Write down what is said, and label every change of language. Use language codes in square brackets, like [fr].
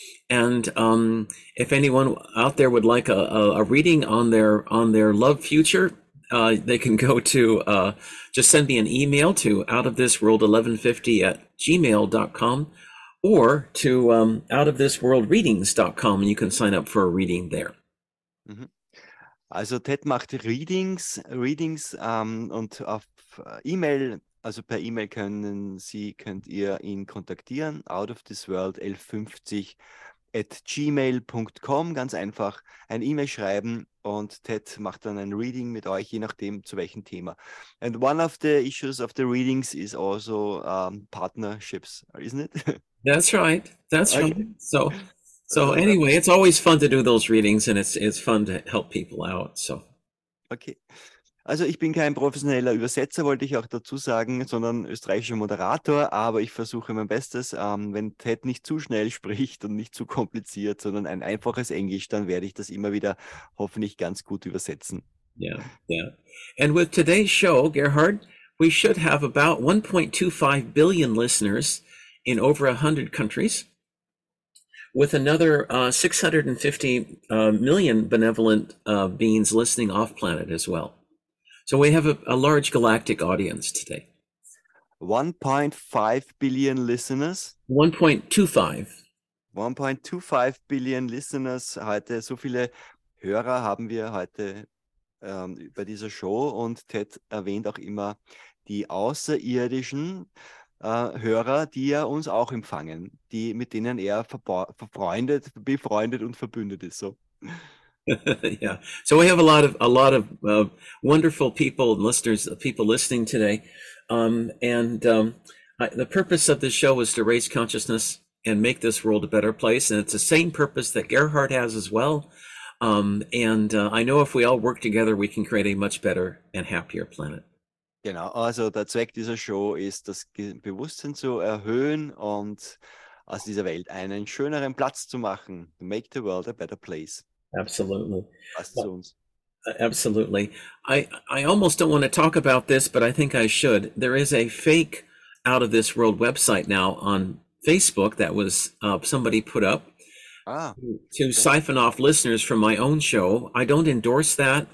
[en] And if anyone out there would like a reading on their love future, they can go to just send me an email to outofthisworld1150@gmail.com or to outofthisworldreadings.com, and you can sign up for a reading there. [de] Also Ted macht Readings und auf E-Mail, also per E-Mail könnt ihr ihn kontaktieren, outofthisworld1150@gmail.com, ganz einfach ein E-Mail schreiben und Ted macht dann ein Reading mit euch, je nachdem zu welchem Thema. [en] And one of the issues of the readings is also partnerships, isn't it? That's right. That's right. Okay. So anyway, it's always fun to do those readings and it's fun to help people out. So. Okay. [de] Also ich bin kein professioneller Übersetzer, wollte ich auch dazu sagen, sondern österreichischer Moderator, aber ich versuche mein Bestes. Wenn Ted nicht zu schnell spricht und nicht zu kompliziert, sondern ein einfaches Englisch, dann werde ich das immer wieder hoffentlich ganz gut übersetzen. [en] Yeah. And with today's show, Gerhard, we should have about 1.25 billion listeners in over 100 countries, with another 650 million benevolent beings listening off planet as well. So we have a large galactic audience today. 1.5 billion listeners. 1.25. 1.25 billion listeners heute. [de] So viele Hörer haben wir heute bei dieser Show. Und Ted erwähnt auch immer die außerirdischen Hörer, die ja uns auch empfangen, die mit denen er befreundet und verbündet ist. [en] So. Yeah, so we have a lot of wonderful people and listeners, people listening today, the purpose of this show is to raise consciousness and make this world a better place, and it's the same purpose that Gerhard has as well, I know if we all work together, we can create a much better and happier planet. [de] Genau, also der Zweck dieser Show ist, das Bewusstsein zu erhöhen und aus dieser Welt einen schöneren Platz zu machen. [en] Make the world a better place. Absolutely. [de] Passt zu uns. [en] Absolutely. I almost don't want to talk about this, but I think I should. There is a fake Out of This World website now on Facebook that was somebody put up Ah, to siphon off listeners from my own show. I don't endorse that.